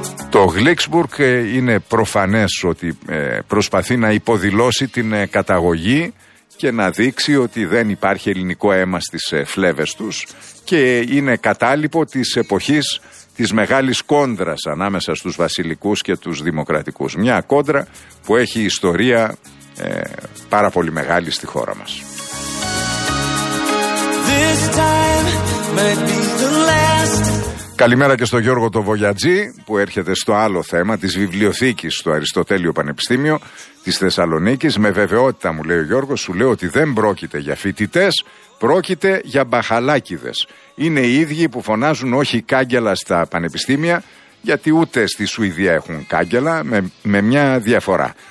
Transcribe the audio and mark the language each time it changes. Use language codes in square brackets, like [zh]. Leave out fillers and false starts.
[el] Το Γλίξμπουργκ είναι προφανές ότι προσπαθεί να υποδηλώσει την καταγωγή και να δείξει ότι δεν υπάρχει ελληνικό αίμα στις φλέβες τους και είναι κατάλοιπο της εποχής της μεγάλης κόντρας ανάμεσα στους βασιλικούς και τους δημοκρατικούς. Μια κόντρα που έχει ιστορία πάρα πολύ μεγάλη στη χώρα μας. [en] This time might be the last. [el] Καλημέρα και στον Γιώργο τον Βογιατζή, που έρχεται στο άλλο θέμα της βιβλιοθήκης στο Αριστοτέλειο Πανεπιστήμιο της Θεσσαλονίκης. Με βεβαιότητα μου λέει ο Γιώργος, σου λέω ότι δεν πρόκειται για φοιτητές, πρόκειται για μπαχαλάκηδες. Είναι οι ίδιοι που φωνάζουν όχι κάγκελα στα πανεπιστήμια, γιατί ούτε στη Σουηδία έχουν κάγκελα, με μια διαφορά.